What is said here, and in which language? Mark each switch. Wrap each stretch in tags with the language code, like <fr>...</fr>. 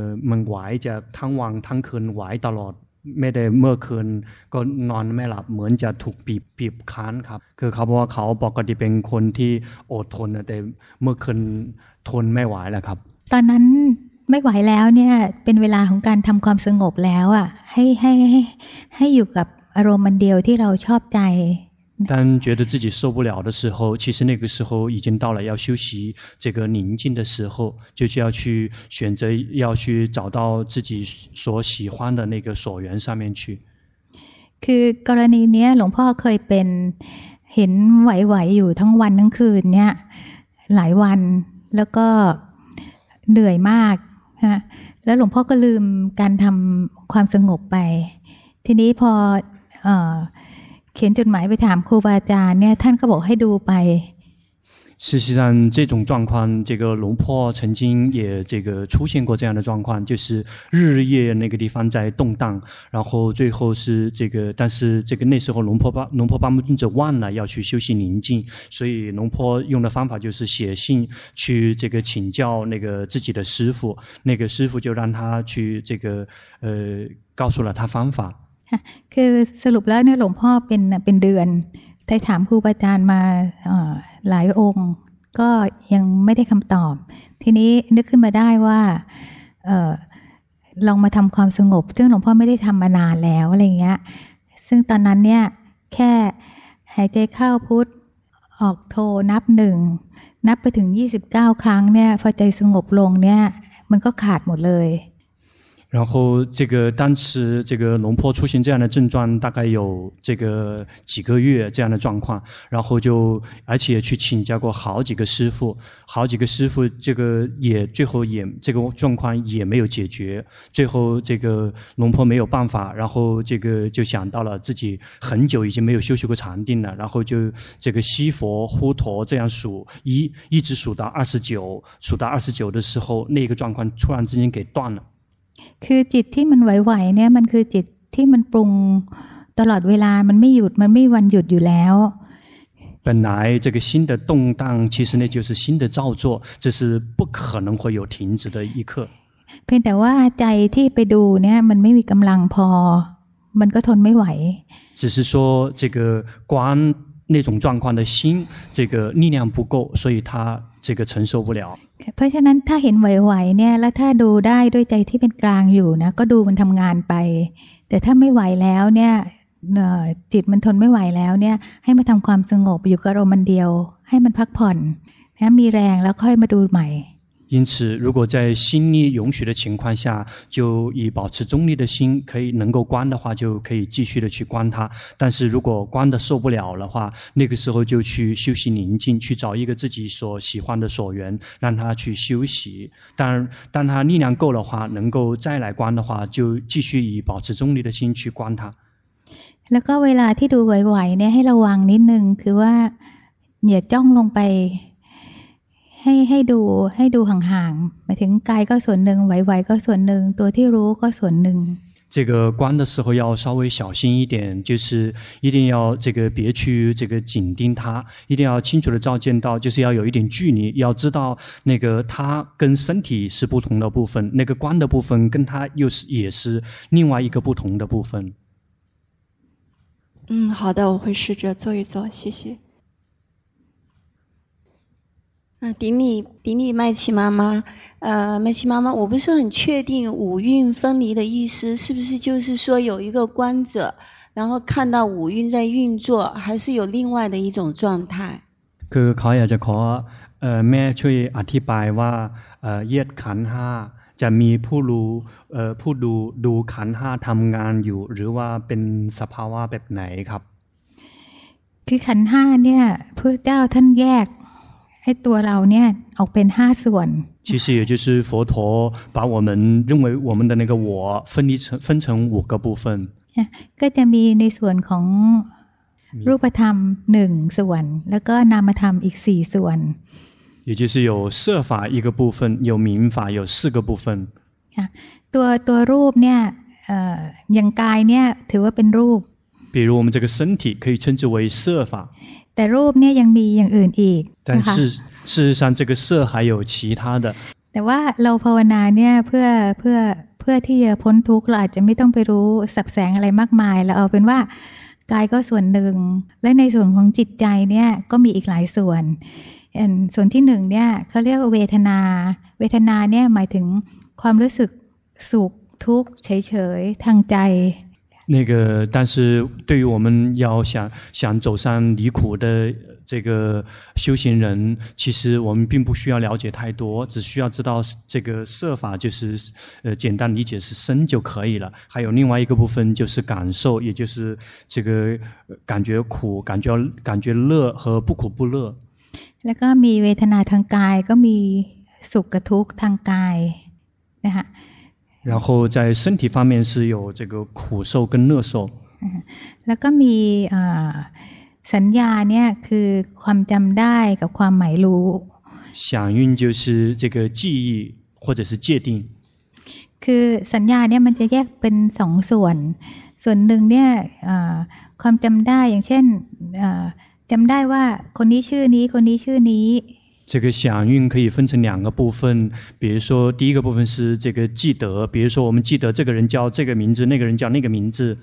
<th>มันไหวจะทั้งวันทั้งคืนไหวตลอดไม่ได้เมื่อคืนก็นอนไม่หลับเหมือนจะถูกบีบคั้นครับคือเขาบอกว่าเขาปกติเป็นคนที่อดทนแต่เมื่อคืนทนไม่ไหวแล้วครับ ตอนนั้นไม่ไหวแล้วเนี่ยเป็นเวลาของการทำความสงบแล้วอ่ะให้อยู่กับอารมณ์มันเดียวที่เราชอบใจ</th> <zh>当觉得自己受不了的时候，其实那个时候已经到了要休息这个宁静的时候，就是要去选择，要去找到自己所喜欢的那个所缘上面去。</zh> <th>คือกรณีเนี้ยหลวงพ่อเคยเป็นเห็นไหวๆอยู่ทั้งวันทั้งคืนเนี้ยหลายวันแล้วก็เหนื่อยมากฮะแล้วหลวงพ่อก็ลืมการทำความสงบไปทีนี้พอเขียนจดหมายไปถามครูบาอาจารย์เนี่ยท่านก็บอกให้ดูไป</th> <zh>事实上这种状况这个龙婆曾经也这个出现过这样的状况就是日夜那个地方在动荡然后最后是这个但是这个那时候龙婆巴木尊者忘了要去休息宁静所以龙婆用的方法就是写信去这个请教那个自己的师父那个师父就让他去这个告诉了他方法</zh> <th>คือสรุปแล้วเนี่ยหลวงพ่อเป็นเดือนได้ถามครูบาอาจารย์มาหลายองค์ก็ยังไม่ได้คำตอบทีนี้นึกขึ้นมาได้ว่าลองมาทำความสงบซึ่งหลวงพ่อไม่ได้ทำมานานแล้วอะไรเงี้ยซึ่งตอนนั้นเนี่ยแค่หายใจเข้าพุทธออกโทนับหนึ่งนับไปถึง29ครั้งเนี่ยพอใจสงบลงเนี่ยมันก็ขาดหมดเลย</th> <zh>然后这个当时这个龙婆出现这样的症状大概有这个几个月这样的状况然后就而且去请教过好几个师父这个也最后也这个状况也没有解决最后这个龙婆没有办法然后这个就想到了自己很久已经没有修习过禅定了然后就这个西佛呼陀这样数一直数到29数到29的时候那个状况突然之间给断了</zh> <th>คือจิตที่มันไหวๆเนี่ยมันคือจิตที่มันปรุงตลอดเวลามันไม่หยุดมันไม่วันหยุดอยู่แล้ว</th> <zh>本来这个心的动荡其实那就是心的造作这是不可能会有停止的一刻</zh> <th>เพียงแต่ว่าใจที่ไปดูเนี่ยมันไม่มีกำลังพอมันก็ทนไม่ไหว</th> <zh>只是说这个观那种状况的心这个力量不够所以它这个承受不了</zh> <th>เพราะฉะนั้นถ้าเห็นไหวๆเนี่ยแล้วถ้าดูได้ด้วยใจที่เป็นกลางอยู่นะก็ดูมันทำงานไปแต่ถ้าไม่ไหวแล้วเนี่ยจิตมันทนไม่ไหวแล้วเนี่ยให้มาทำความสงบอยู่กับอารมณ์เดียวให้มันพักผ่อนนะมีแรงแล้วค่อยมาดูใหม่</th> <zh>因此如果在心力允许的情况下就以保持中立的心可以能够观的话就可以继续的去观它但是如果观的受不了的话那个时候就去休息宁静去找一个自己所喜欢的所缘让他去休息当他力量够的话能够再来观的话就继续以保持中立的心去观它</zh> <th>แล้วก็เวลาที่ดูไหวๆเนี่ยให้ระวังนิดนึงคือว่าอย่าจ้องลงไปให้ดูห่างๆหมายถึงกายก็ส่วนหนึ่งไหวๆก็ส่วนหนึ่งตัวที่รู้ก็ส่วนหนึ่ง</th> <zh>这个观的时候要稍微小心一点就是一定要这个别去这个紧盯它一定要清楚的照见到就是要有一点距离要知道那个它跟身体是不同的部分那个观的部分跟它又是也是另外一个不同的部分嗯好的我会试着做一做谢谢顶礼麦琪妈妈麦琪妈妈我不是很确定五蕴分离的意思是不是就是说有一个观者然后看到五蕴在运作还是有另外的一种状态</zh> <th>คือเขาอยากจะขอแม่ช่วยอธิบายว่าแยกขันธ์5จะมีผู้รู้ผู้ดูขันธ์5ทํางานอยู่หรือว่าเป็นสภาวะแบบไหนครับ คือขันธ์5เนี่ยพระเจ้าท่านแยกให้ตัวเราเนี่ยออกเป็น5ส่วน</th> <zh>其实也就是佛陀把我们认为我们的那个我分离成5个部分</zh> <th>ก็จะมีในส่วนของ รูปธรรม1ส่วนแล้วก็นามธรรมอีก4ส่วน</th> <zh>也就是有色法一个部分有名法有四个部分</zh> <th>ตัวรูปเนี่ยอย่างกายเนี่ยถือว่าเป็นรูป</th> <zh>比如我们这个身体可以称之为色法</zh> <th>แต่รูปเนี่ยยังมีอย่างอื่นอีก</th> <zh>但是事实上这个色还有其他的</zh> <th>แต่ว่าเราภาวนาเนี่ยเพื่อที่จะพ้นทุกข์เราอาจจะไม่ต้องไปรู้สับแสงอะไรมากมายแล้วเอาเป็นว่ากายก็ส่วนหนึ่งและในส่วนของจิตใจเนี่ยก็มีอีกหลายส่วนส่วนที่หนึ่งเนี่ยเขาเรียกว่าเวทนาเนี่ยหมายถึงความรู้สึกสุขทุกข์เฉยๆทางใจ</th> <zh>那个但是对于我们要想走上离苦的这个修行人，其实我们并不需要了解太多，只需要知道这个色法就是，简单理解是身就可以了。还有另外一个部分就是感受，也就是这个感觉苦、感觉乐和不苦不乐。</zh> <th>แล้วก็มีเวทนาทางกายก็มีสุขกับทุกข์ทางกายนะคะ</th> <zh>然后在身体方面是有这个苦受跟乐受。</zh> <th>แล้วก็มีสัญญาเนี่ยคือความจำได้กับความหมายรู้</th> <zh>想运就是这个记忆或者是界定</zh> <th>คือสัญญาเนี่ยมันจะแยกเป็นสองส่วนส่วนหนึ่งเนี่ยความจำได้อย่างเช่นจำได้ว่าคนนี้ชื่อนี้คนนี้ชื่อนี้</th> <zh>这个想运可以分成两个部分，比如说第一个部分是这个记得，比如说我们记得这个人叫这个名字，那个人叫那个名字。</zh>